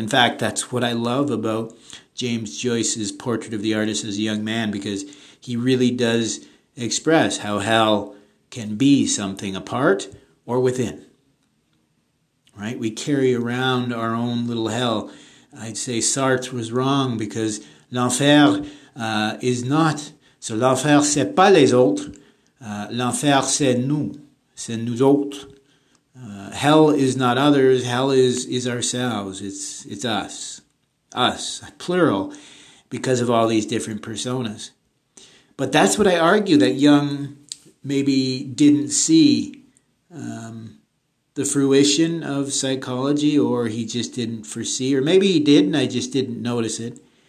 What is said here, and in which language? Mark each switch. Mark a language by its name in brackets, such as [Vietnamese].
[English] In fact, that's what I love about James Joyce's Portrait of the Artist as a Young Man, because he really does express how hell can be something apart or within, right? We carry around our own little hell. I'd say Sartre was wrong, because [French] l'enfer [English] is not, so [French] l'enfer c'est pas les autres, l'enfer c'est nous autres. [English] Hell is not others, hell is ourselves, it's us. Us, plural, because of all these different personas. But that's what I argue, that Jung maybe didn't see the fruition of psychology, or he just didn't foresee, or maybe he did and I just didn't notice it.